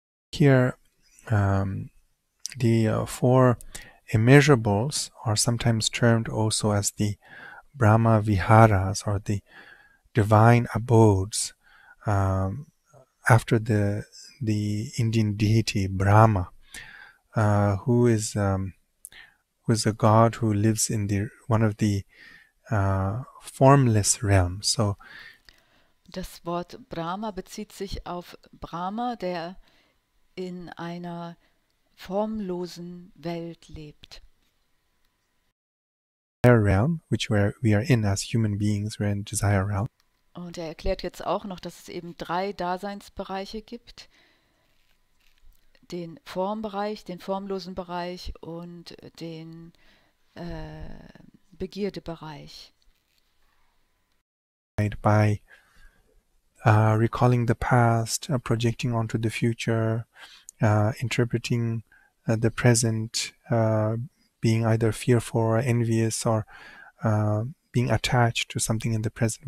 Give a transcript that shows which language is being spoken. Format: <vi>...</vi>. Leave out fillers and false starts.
<en>Here, the four immeasurables are sometimes termed also as the Brahma Viharas or the divine abodes after the Indian deity Brahma, who is a god who lives in the one of the formless realms. So.</en> <de>Das Wort Brahma bezieht sich auf Brahma, der in einer formlosen Welt lebt.</de> <en>Desire realm, which we are in as human beings, we're in desire realm.</en> <de>Und er erklärt jetzt auch noch, dass es eben drei Daseinsbereiche gibt: den Formbereich, den formlosen Bereich und den Begierdebereich.</de> <en>By recalling the past, projecting onto the future, interpreting the present, being either fearful or envious or being attached to something in the present.</en>